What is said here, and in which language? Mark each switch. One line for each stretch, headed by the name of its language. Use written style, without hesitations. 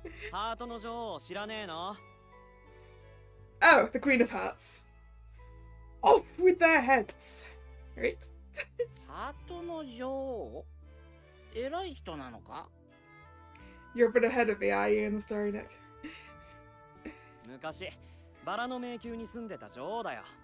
Japanese: ハートの女王を知らねえの?
English: Oh, the Queen of Hearts. Off with their heads. Right?
Japanese: ハートの女王?偉い人なのか?
English: You're a bit ahead of me, are you, in the story, Nick?
Japanese: 昔、バラの迷宮に住んでた女王だよ。